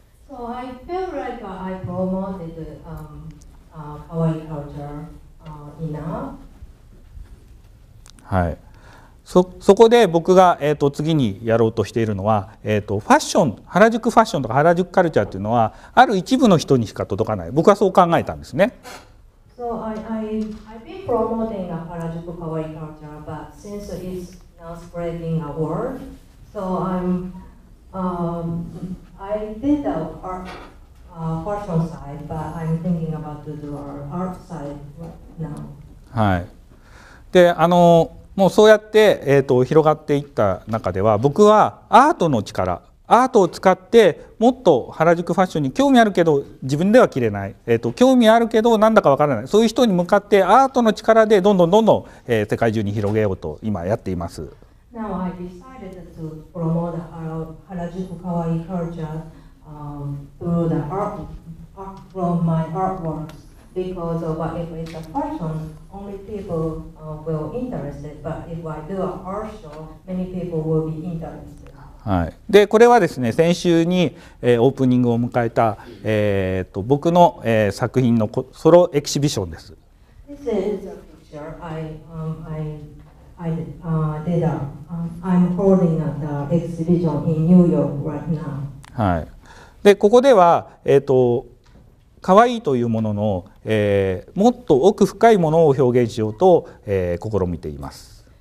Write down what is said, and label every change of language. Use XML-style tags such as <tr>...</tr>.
<en>So I feel like I promoted kawaii culture enough。</en> <ja>はい、そこで僕が、次にやろうとしているのは、ファッション、原宿ファッションとか原宿カルチャーというのはある一部の人にしか届かない、僕はそう考えたんですね。</ja> <en>So I've been promoting the 原宿かわいい culture, but since it's now spreading the world, so I did the art, personal side, but I'm thinking about to do our art side right now.</en> <ja>はい。で、もうそうやって、広がっていった中では、僕はアートの力、アートを使ってもっと原宿ファッションに興味あるけど自分では着れない、興味あるけどなんだかわからない、そういう人に向かってアートの力でどんどんどんどん、世界中に広げようと今やっています。</ja> <en>Now I decided to promote 原宿かわいいカルチャー through the art from my artworks because of if it's a fashion only people will interested but if I do a art show many people will be interested。</en> <ja>はい、でこれはですね、先週に、オープニングを迎えた、僕の、作品のソロエキシビションです。</ja> <en>This is a picture I did I'm holding at the exhibition in New York right now、</en> <ja>はい、でここでは、かわいいというものの、もっと奥深いものを表現しようと、試みています。</ja>